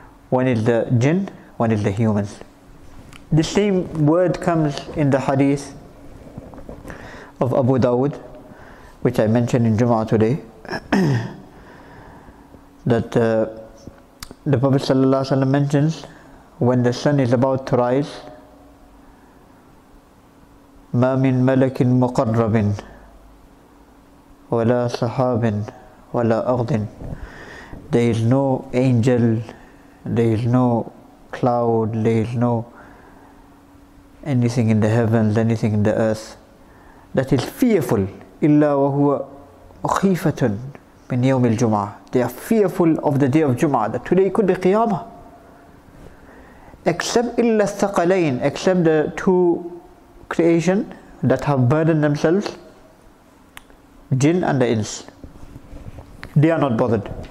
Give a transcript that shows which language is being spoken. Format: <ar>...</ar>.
<en>One is the jinn, one is the humans. The same word comes in the hadith of Abu Dawud, which I mentioned in Jum'ah today, that the Prophet Sallallahu Alaihi Wasallam mentions when the sun is about to rise,</en> <ar>ما من ملك مقرب ولا صحاب ولا أرض.</ar> <en>There is no angel, there is no cloud, there is no anything in the heavens, anything in the earth that is fearful.</en> <ar>إلا وهو خيفة من يوم الجمعة.</ar> <en>They are fearful of the day of Jum'ah, that today could be Qiyamah. Except</en> <ar>إلا الثقلين,</ar> <en>except the two creation that have burdened themselves, jinn and the ins, they are not bothered.</en>